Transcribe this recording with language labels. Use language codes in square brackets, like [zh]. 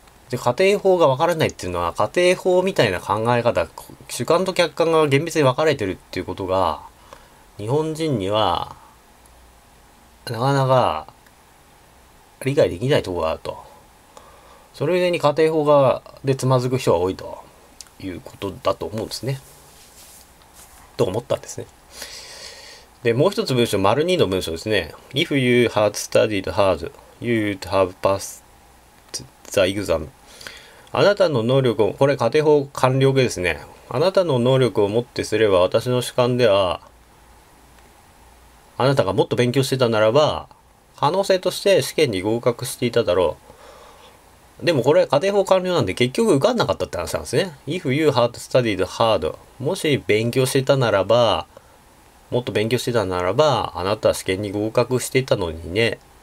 [ja] で、仮定法が分からないっていうのは、仮定法みたいな考え方、主観と客観が厳密に分かれてるっていうことが、日本人には、なかなか理解できないところがあると。それゆえに仮定法でつまずく人が多いということだと思うんですね。と思ったんですね。で、もう一つ文章、丸二の文章ですね。 [en] If you had studied hard, you'd have passed the exam. [ja] あなたの能力を、これ仮定法完了形ですね。あなたの能力をもってすれば、私の主観では、あなたがもっと勉強してたならば、可能性として試験に合格していただろう。でもこれ仮定法完了なんで、結局受かんなかったって話なんですね。 [en] If you had studied hard、 [ja] もし勉強してたならば、もっと勉強してたならば、あなたは試験に合格してたのにね。